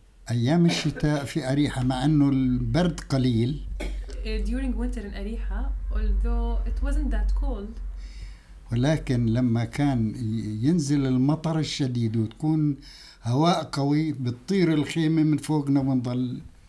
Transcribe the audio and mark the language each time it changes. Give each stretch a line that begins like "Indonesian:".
Arabic: أيام الشتاء في أريحة مع أنه البرد قليل.
English: During winter in أريحة, although it wasn't that cold.
Arabic: ولكن لما كان ينزل المطر الشديد وتكون هواء قوي بتطير الخيمة من فوقنا ونضل.